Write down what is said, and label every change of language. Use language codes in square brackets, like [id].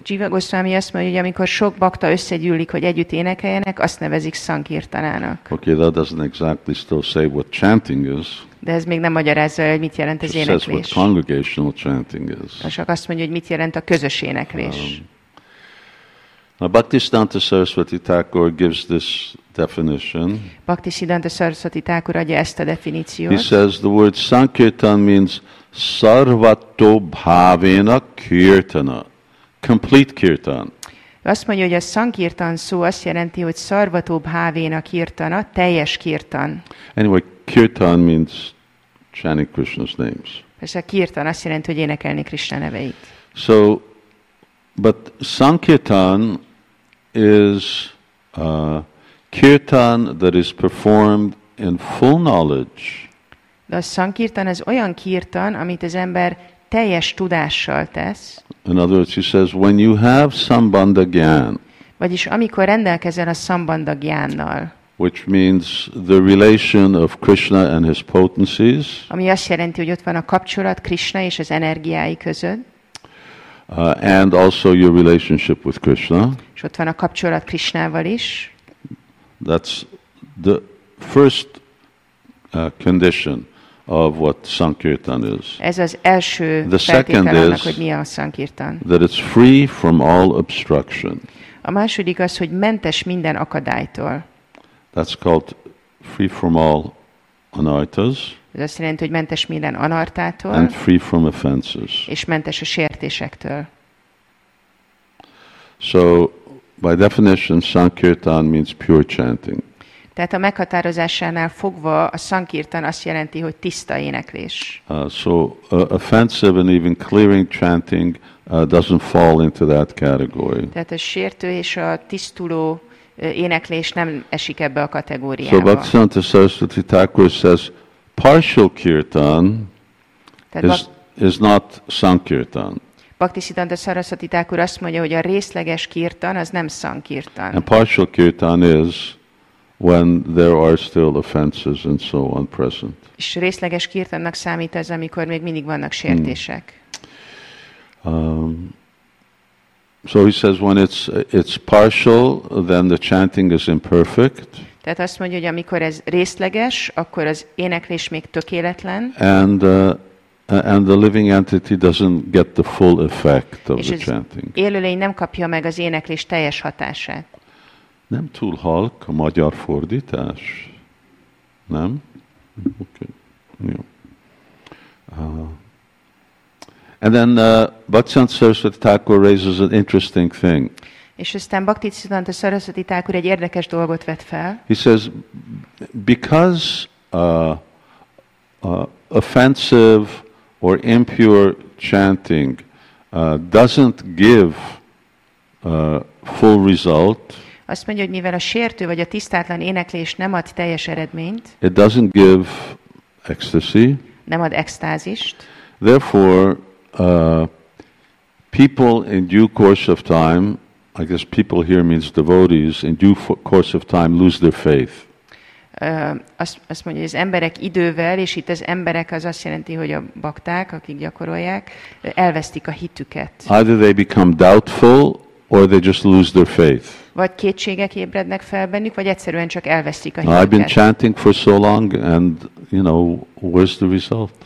[hu] Jiva Goswami azt mondja, hogy amikor sok bakta összegyűlik, hogy együtt énekeljenek, azt nevezik sankirtanának. [en] Okay, that doesn't exactly still say what chanting is. [hu] De ez még nem magyarázza, hogy mit jelent az éneklés. [en] Says what congregational chanting is. [hu] Csak azt mondja, hogy mit jelent a közös éneklés. [en] Now, Bhaktisiddhanta Saraswati Thakur gives this definition. [hu] Bhaktisiddhanta Saraswati Thakur adja ezt a definíciót. [en] He says the word sankirtan means sarvato bhavena kirtana, complete kirtan. [hu] Azt mondja, hogy a sankirtan szó azt jelenti, hogy sarvato bhavena kirtana, teljes kirtan. [en] Anyway, kirtan means chanting Krishna's names. [hu] Persze, kirtan azt jelenti, hogy énekelni Krishna neveit. [en] So, but sankirtan is kirtan that is performed in full knowledge. [hu] De a sankirtan az olyan kirtan, amit az ember teljes tudással tesz. [en] In other words, he says, when you have sambandha gyan, [hu] vagyis amikor rendelkezel a sambandha gyánnal, [en] which means the relation of Krishna and his potencies, [hu] ami azt jelenti, hogy ott van a kapcsolat Krishna és az energiái között, [en] and also your relationship with Krishna, [hu] és ott van a kapcsolat Krishnával is, [en] that's the first condition of what sankirtan is. [hu] Ez az első feltétel, hogy mi a sankirtan. [en] That it's free from all obstruction. [hu] A második az, hogy mentes minden akadálytól. [en] That's called free from all anartas. [hu] Ez azt jelenti, hogy mentes minden anartától. [en] And free from offenses. [hu] És mentes a sértésektől. [en] So, by definition, sankirtan means pure chanting. [hu] Tehát a meghatározásánál fogva a sankirtan azt jelenti, hogy tiszta éneklés. [en] Offensive and even clearing chanting doesn't fall into that category. [hu] Tehát a sértő és a tisztuló éneklés nem esik ebbe a kategóriába. [en] So Bhaktisiddhanta Saraswati Thakur says partial kirtan is not sankirtan. [hu] Bhaktisiddhanta Saraswati Thakur azt mondja, hogy a részleges kirtan az nem sankirtan. [en] And partial kirtan is when there are still offenses and so on present. [hu] És részleges kirtannak számít ez, amikor még mindig vannak sértések. [en] So he says when it's partial, then the chanting is imperfect. [hu] Tehát azt mondja, hogy amikor ez részleges, akkor az éneklés még tökéletlen. [en] And the living entity doesn't get the full effect of the chanting. [hu] És élőlény nem kapja meg az éneklés teljes hatását. Nem túl halk a magyar fordítás? Nem? Okay. Jó. [en] And then Bhaktisiddhanta Saraswati Thakur raises an interesting thing. [hu] És aztán Bhaktisiddhanta Saraswati Thakur egy érdekes dolgot vet fel. [en] He says, because offensive or impure chanting doesn't give full result, [hu] azt mondja, hogy mivel a sértő vagy a tisztátlan éneklés nem ad teljes eredményt, [en] it doesn't give ecstasy, [hu] nem ad extázist. [en] Therefore, people in due course of time, I guess people here means devotees, in due course of time lose their faith. [hu] Azt mondja, hogy az emberek idővel, és itt az emberek az azt jelenti, hogy a bakták, akik gyakorolják, elvesztik a hitüket. [en] Either they become doubtful, or they just lose their faith. [hu] Vagy kétségek ébrednek fel bennük, vagy egyszerűen csak elvesztik a hitüket. [en] I've been chanting for so long, and you know, where's the result?